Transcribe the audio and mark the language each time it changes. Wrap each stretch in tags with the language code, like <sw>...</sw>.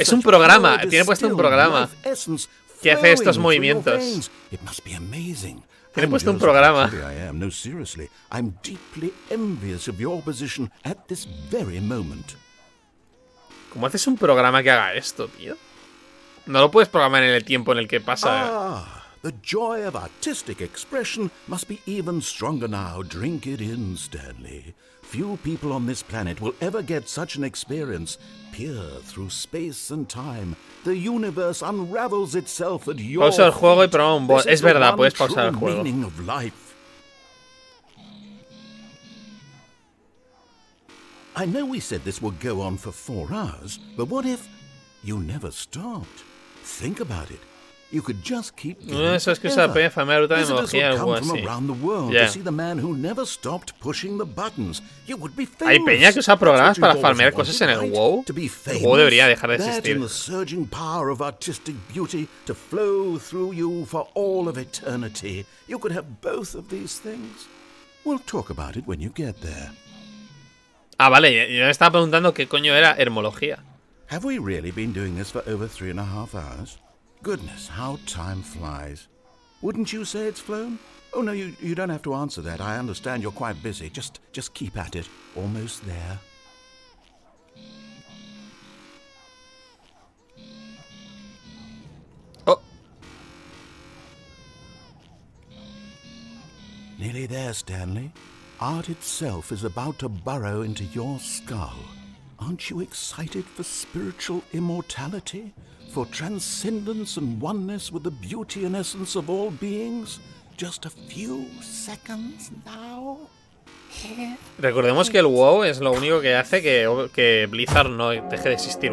<es>es un programa, tiene puesto un programa que hace estos movimientos.</es> <en>It must be amazing.</en> <es>Tiene puesto un programa.</es> <en>I am. No, seriously, I'm deeply envious of your position at this very moment.</en> <es>¿Cómo haces un programa que haga esto, tío? No lo puedes programar en el tiempo en el que pasa.</es> <en>The joy of artistic expression must be even stronger now. Drink it in, Stanley. Few people on this planet will ever get such an experience. Peer through space and time. The universe unravels itself at your</en> <es>pausa el juego y prueba un bot. Es verdad, puedes pausar el juego.</es> <en>Meaning of life. I know we said this would go on for 4 hours, but what if you never stopped? Think about it. You could just keep going. You see the man who never stopped pushing the buttons. You would be famous.</en> <es>Hay peña que usa programas para farmear cosas en el WoW. El WoW debería dejar de existir.</es> <en>The surging power of artistic beauty to flow through you for all of eternity. You could have both of these things. We'll talk about it when you get there.</en> <es>Ah, vale, yo me estaba preguntando qué coño era hermología.</es> <en>Have we really been doing this for over 3.5 hours? Goodness, how time flies. Wouldn't you say it's flown? Oh no, you don't have to answer that. I understand you're quite busy. Just keep at it. Almost there. Oh. Nearly there, Stanley. Art itself is about to burrow into your skull. Aren't you excited for spiritual immortality? For transcendence and oneness with the beauty and essence of all beings? Just a few seconds now?</en> <es>Recordemos que el WoW es lo único que hace que Blizzard no deje de existir.</es>